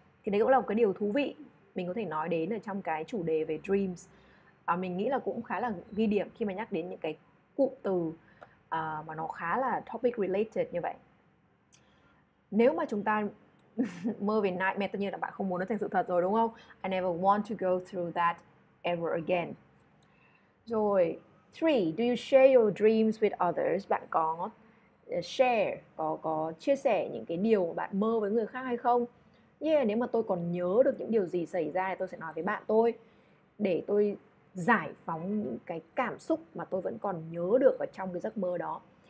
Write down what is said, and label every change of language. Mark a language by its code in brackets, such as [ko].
[vi] Thì đấy cũng là một cái điều thú vị mình có thể nói đến ở trong cái chủ đề về dreams. Mình nghĩ là cũng khá là ghi điểm khi mà nhắc đến những cái cụm từ mà nó khá là topic related như vậy. Nếu mà chúng ta mơ về nightmare, tất nhiên là bạn không muốn nó thành sự thật rồi đúng không? [en] I never want to go through that ever again. [vi] Rồi, [en] three, do you share your dreams with others? [vi] Bạn có share, có chia sẻ những cái điều bạn mơ với người khác hay không? Yeah, nếu mà tôi còn nhớ được những điều gì xảy ra thì tôi sẽ nói với bạn tôi để tôi giải phóng những cái cảm xúc mà tôi vẫn còn nhớ được ở trong cái giấc mơ đó.